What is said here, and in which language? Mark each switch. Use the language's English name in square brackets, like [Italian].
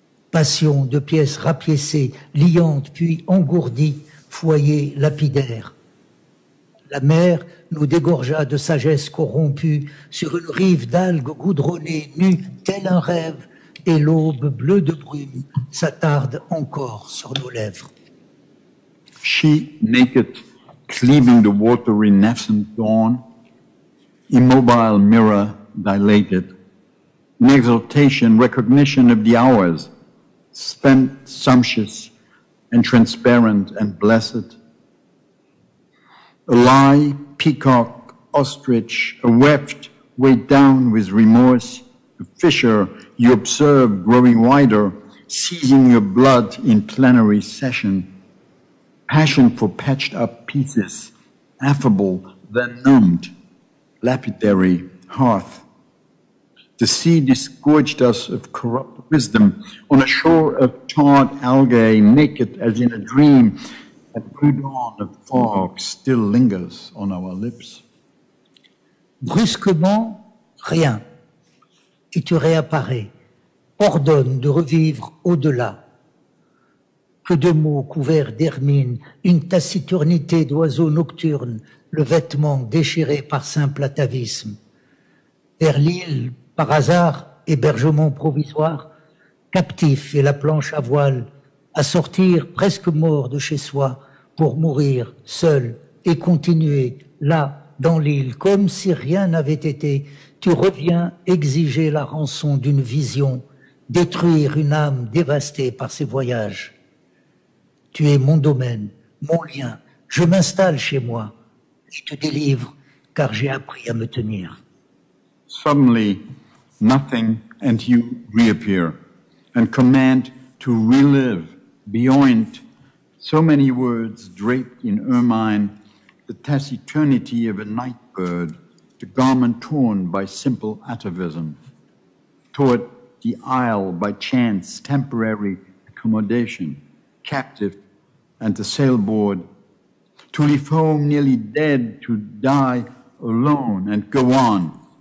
[French] Passion de pièces rapiécées, liantes, puis engourdies, foyer lapidaire. La mer nous dégorgea de sagesse corrompue sur une rive d'algues goudronnées, nues, tel un rêve, et l'aube bleue de brume s'attarde encore sur nos lèvres. [English] She, naked, cleaving the watery nascent dawn, immobile mirror dilated, in exaltation, recognition of the hours, spent, sumptuous, and transparent, and blessed. A lie, peacock, ostrich, a weft weighed down with remorse, a fissure you observe growing wider, seizing your blood in plenary session. Passion for patched up pieces, affable, then numbed, lapidary, hearth. The sea disgorged us of corrupt wisdom on a shore of tarred algae, naked as in a dream. A boudon of fog still lingers on our lips. [French] Brusquement, rien. Et tu réapparais, ordonne de revivre au-delà. Que de mots couverts d'hermine, une taciturnité d'oiseaux nocturnes, le vêtement déchiré par simple atavisme. Vers l'île, par hasard, hébergement provisoire, captif et la planche à voile, à sortir presque mort de chez soi pour mourir seul et continuer là, dans l'île, comme si rien n'avait été, tu reviens exiger la rançon d'une vision, détruire une âme dévastée par ses voyages. Tu es mon domaine, mon lien, je m'installe chez moi et te délivre car j'ai appris à me tenir. [English] Suddenly, nothing and you reappear and command to relive beyond so many words draped in ermine, the taciturnity of a nightbird, the garment torn by simple atavism, toward the isle by chance, temporary accommodation, captive and the sailboard, to leave home nearly dead, to die alone and go on.